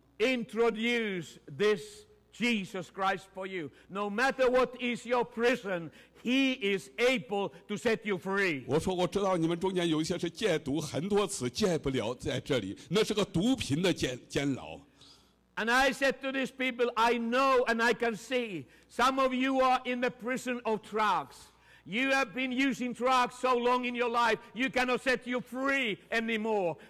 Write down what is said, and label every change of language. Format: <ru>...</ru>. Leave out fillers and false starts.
<en>introduce this Jesus Christ for you. No matter what is your prison. He is able to set you free.</en> <zh>我说我知道你们中间有一些是戒毒，很多次戒不了在这里，那是个毒品的监牢。</zh> <en>And I said to these people, I know and I can see some of you are in the prison of drugs. You have been using drugs so long in your life, you cannot set you free anymore.</en>